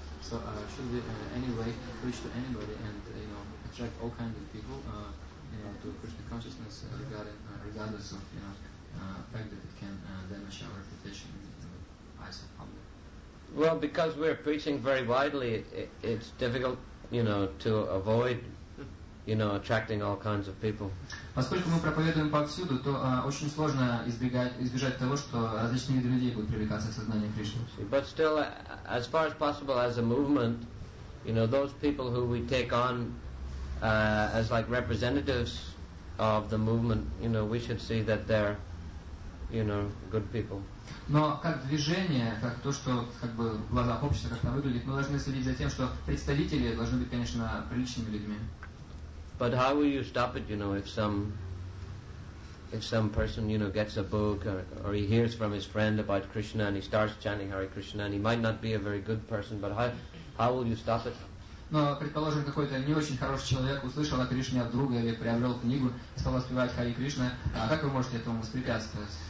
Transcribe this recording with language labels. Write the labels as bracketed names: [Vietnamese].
[English] So should we anyway preach to anybody and you know attract all kinds of people to Krishna consciousness regardless of you know fact that it can damage our reputation in the eyes of the public? Well, because we're preaching very widely, it's difficult, you know, to avoid, you know, attracting all kinds of people. [Russian] Поскольку мы проповедуем повсюду, то очень сложно избежать того, что различные виды людей будут привлекаться к сознанию Кришны. [English] But still, as far as possible, as a movement, you know, those people who we take on as like representatives of the movement, you know, we should see that they're, you know, good people. [Russian] Но как движение, как то, что как бы в глазах общества как-то выглядит, мы должны следить за тем, что представители должны быть, конечно, приличными людьми. [English] But how will you stop it, you know, if some person, you know, gets a book or he hears from his friend about Krishna and he starts chanting Hare Krishna and he might not be a very good person, but How will you stop it? [Russian] Но, предположим, какой-то не очень хороший человек услышал о Кришне от друга или приобрел книгу и стал воспевать Хари Кришна. А как вы можете этому воспрепятствовать?